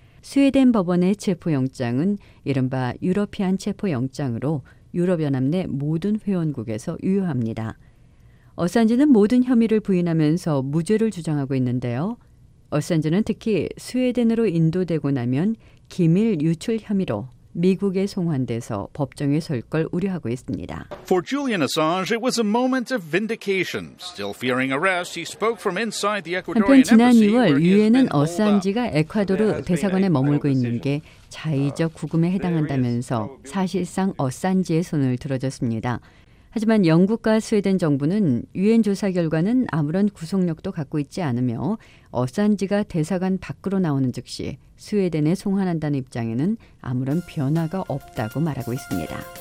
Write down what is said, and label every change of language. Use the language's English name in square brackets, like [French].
[Korean] 스웨덴 법원의 체포영장은 이른바 유러피안 체포영장으로 유럽연합 내 모든 회원국에서 유효합니다. 어산지는 모든 혐의를 부인하면서 무죄를 주장하고 있는데요. 어산지는 특히 스웨덴으로 인도되고 나면 기밀 유출 혐의로 미국에 송환돼서 법정에 설 걸 우려하고 있습니다. [English] For Julian Assange, it was a moment of vindication. Still fearing arrest, he spoke from inside the Ecuadorian embassy. [Korean] 지난 2월 유엔은 어산지가 에콰도르 대사관에 머물고 있는 게 자의적 구금에 해당한다면서 사실상 어산지의 손을 들어줬습니다. 하지만 영국과 스웨덴 정부는 유엔 조사 결과는 아무런 구속력도 갖고 있지 않으며 어산지가 대사관 밖으로 나오는 즉시 스웨덴에 송환한다는 입장에는 아무런 변화가 없다고 말하고 있습니다.